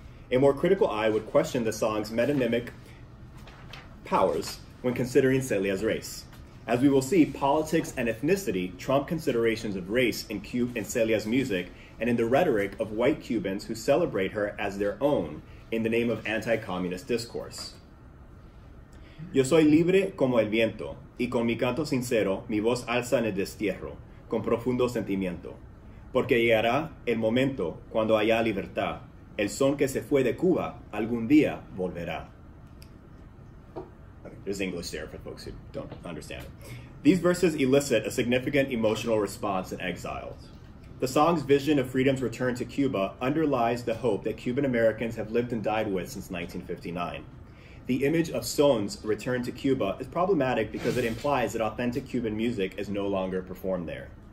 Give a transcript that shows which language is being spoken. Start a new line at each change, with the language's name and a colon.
English: A more critical eye would question the song's metonymic powers when considering Celia's race. As we will see, politics and ethnicity trump considerations of race in Celia's music and in the rhetoric of white Cubans who celebrate her as their own in the name of anti-communist discourse.
Spanish: Yo soy libre como el viento, y con mi canto sincero, mi voz alza en el destierro, con profundo sentimiento. Porque llegará el momento cuando haya libertad, el son que se fue de Cuba algún día volverá.
English: Okay, there's English there for folks who don't understand it. These verses elicit a significant emotional response in exiles. The song's vision of freedom's return to Cuba underlies the hope that Cuban Americans have lived and died with since 1959. The image of son's return to Cuba is problematic because it implies that authentic Cuban music is no longer performed there.